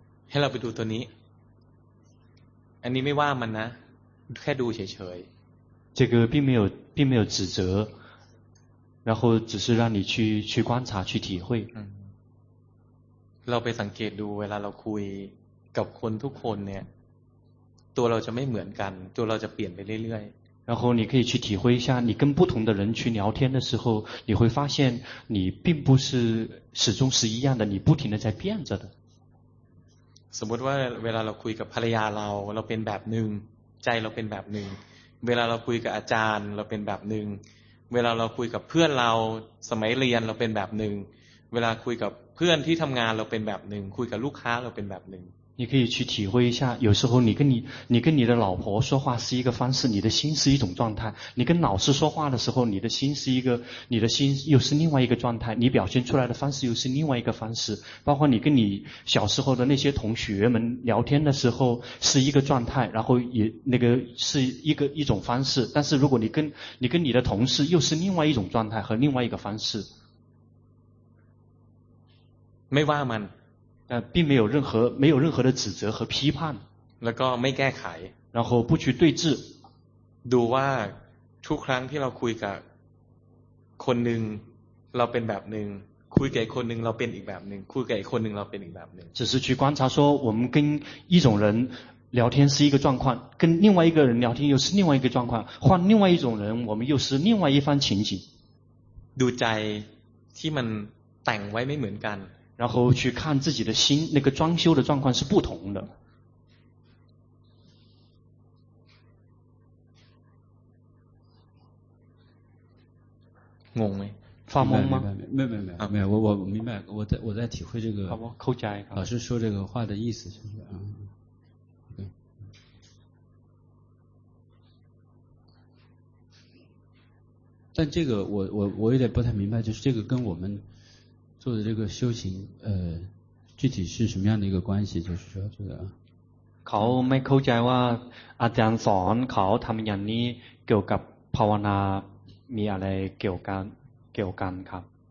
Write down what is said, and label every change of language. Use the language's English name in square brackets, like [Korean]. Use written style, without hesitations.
[Thai] ให้เราไปดูตัวนี้อันนี้ไม่ว่ามันนะแค่ดูเฉย [Chinese] ๆ这个并没有指责然后只是让你去观察去体会 [Thai] เราไปสังเกตดูเวลาเราคุยกับคนทุกคนเนี่ยตัวเราจะไม่เหมือนกันตัวเราจะเปลี่ยนไปเรื่อยๆ [Chinese] 然后你可以去体会一下你跟不同的人去聊天的时候你会发现你并不是始终是一样的你不停的在变着的 [Thai] สมมติว่าเวลาเราคุยกับภรรยาเราเป็นแบบหนึ่งใจเราเป็นแบบหนึ่งเวลาเราคุยกับอาจารย์เราเป็นแบบหนึ่งเวลาเราคุยกับเพื่อนเราสมัยเรียนเราเป็นแบบหนึ่งเวลาคุยกับเพื่อนที่ทำงานเราเป็นแบบหนึ่งคุยกับลูกค้าเราเป็นแบบหนึ่ง [Chinese] 你可以去体会一下，有时候你跟你的老婆说话是一个方式，你的心是一种状态；你跟老师说话的时候，你的心又是另外一个状态，你表现出来的方式又是另外一个方式。包括你跟你小时候的那些同学们聊天的时候是一个状态，然后也那个是一种方式。但是如果你跟你的同事又是另外一种状态和另外一个方式，没办法。并没有任何的指责和批判 [Thai] แล้วก็ไม่แก้ไข [Chinese] 然后不去对峙 [Thai] ดูว่าทุกครั้งที่เราคุยกับคนหนึ่งเราเป็นแบบหนึ่งคุยกับคนหนึ่งเราเป็นอีกแบบหนึ่งคุยกับอีกคนหนึ่งเราเป็นอีกแบบหนึ่ง [Chinese] 只是去观察说我们跟一种人聊天是一个状况跟另外一个人聊天又是另外一个状况换另外一种人我们又是另外一番情景 [Thai] ดูใจที่มันแต่งไว้ไม่เหมือนกัน แล้วก็ [Chinese] 看自己的心那个装修的状况是不同的 [Thai] งงไหม ฟัง มั้ง ไม่ [Chinese] 我明白我在体会这个好不好扣起来老师说这个话的意思就是但这个我有点不太明白就是这个跟我们做的这个修行具体是什么样的一个关系就是说这个 [Thai] เขาไม่เข้าใจว่าอาจารย์สอนเขาทําอย่างนี้เกี่ยวกับภาวนามีอะไรเกี่ยวกันครับ